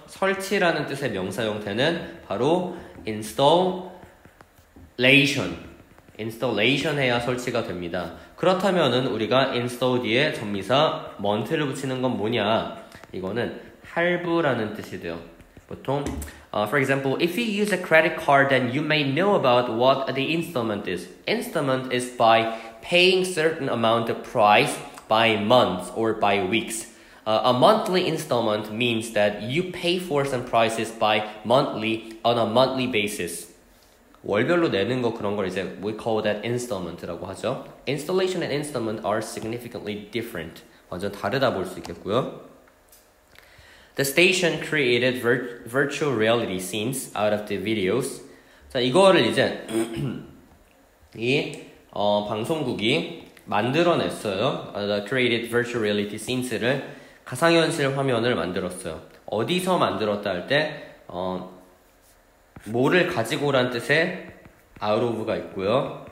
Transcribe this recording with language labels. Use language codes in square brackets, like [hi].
[ko] 설치라는 뜻의 명사 형태는 바로 installation. installation 해야 설치가 됩니다. 그렇다면은 우리가 install 뒤에 전미사 mont를 붙이는 건 뭐냐? 이거는 할부라는 뜻이 돼요. 보통 [en] for example, if you use a credit card, then you may know about what the installment is. Installment is by paying certain amount of price by months or by weeks. A monthly installment means that you pay for some prices by monthly on a monthly basis. [ko] 월별로 내는 거 그런 걸 이제 [en] we call that installment [ko] 라고 하죠. [en] Installation and installment are significantly different. [ko] 완전 다르다 볼 수 있겠고요. [en] The station created virtual reality scenes out of the videos. [ko] 자, 이거를 이제 이 방송국이 만들어냈어요. [en] Created virtual reality scenes를 [ko] 가상현실 화면을 만들었어요. 어디서 만들었다 할 때 뭐를 가지고란 뜻의 out of가 있고요.